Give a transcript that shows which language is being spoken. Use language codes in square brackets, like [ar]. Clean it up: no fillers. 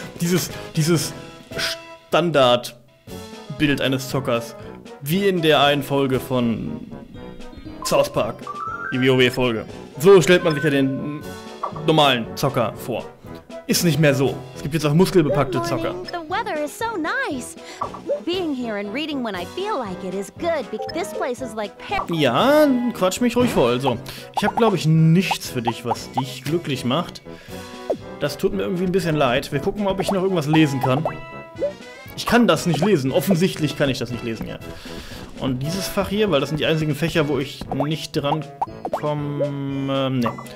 [de] Dieses Standardbild eines Zockers. Wie in der einen Folge von South Park. Die WoW-Folge. So stellt man sich ja den normalen Zocker vor. Ist nicht mehr so. Es gibt jetzt auch muskelbepackte Zocker. [en] The weather is so nice. Being here and reading when I feel like it is good, because this place is like paradise. [de] Ja, quatsch mich ruhig voll. Also, ich habe, glaube ich, nichts für dich, was dich glücklich macht. Das tut mir irgendwie ein bisschen leid. Wir gucken mal, ob ich noch irgendwas lesen kann. Ich kann das nicht lesen. Offensichtlich kann ich das nicht lesen, ja. Und dieses Fach hier, weil das sind die einzigen Fächer, wo ich nicht dran komme. Ne.